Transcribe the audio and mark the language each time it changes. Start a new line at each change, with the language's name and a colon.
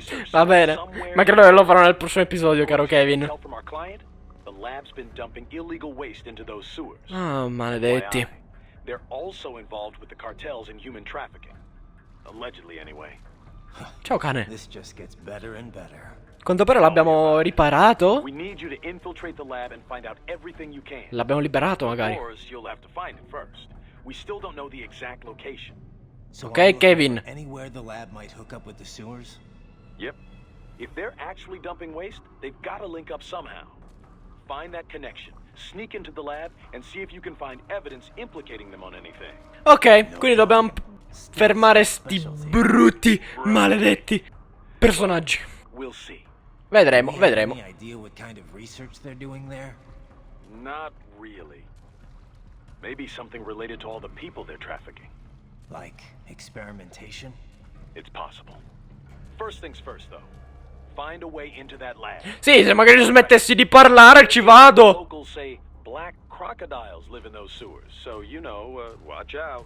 Italian: Va bene, ma credo che lo farò nel prossimo episodio, caro Kevin.
English: The lab's been dumping illegal waste into those sewers.
Italian: Oh, maledetti.
English: They're also involved with the cartels and human trafficking. Allegedly, anyway.
Italian: Ciao, cane.
English: This just gets better and better.
Italian: Quanto pare l'abbiamo riparato?
English: We need you to infiltrate the lab and find out everything you can.
Italian: L'abbiamo liberato, magari.
English: Of course, you'll have to find it first. We still don't know the exact location.
Italian: Ok, Kevin.
English: Anywhere the lab might hook up with the sewers? Yep. If they're actually dumping waste, they've got to link up somehow. Find that connection. Sneak into the lab and see if you can find evidence implicating them on anything.
Italian: Ok, quindi dobbiamo fermare sti brutti maledetti personaggi.
English: We'll see.
Italian: Vedremo, vedremo.
English: Any idea what kind of research they're doing there? Not really. Maybe something related to all the people they're trafficking. Like experimentation? It's possible. First things first though. Find a way into that lab.
Italian: Sì, se magari smettessi di parlare ci vado.
English: Black crocodiles live in those sewers, so you know, watch out.